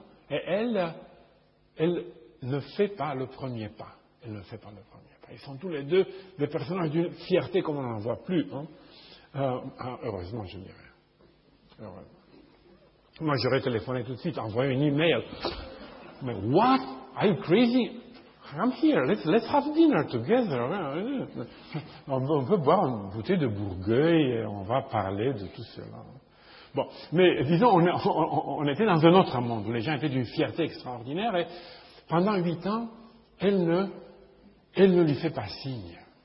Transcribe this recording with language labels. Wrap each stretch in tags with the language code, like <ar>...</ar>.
<fr>Et elle ne fait pas le premier pas. Ils sont tous les deux des personnages d'une fierté comme on n'en voit plus. Hein. Heureusement, je dirais. Moi, j'aurais téléphoné tout de suite, envoyé un email. Mais</fr> <en>what? Are you crazy? I'm here. Let's have dinner together.</en> <fr>On peut boire une bouteille de Bourgueil et on va parler de tout cela. Bon, mais disons, on était dans un autre monde où les gens étaient d'une fierté extraordinaire et pendant 8 ans, elle ne lui fait pas signe.</fr>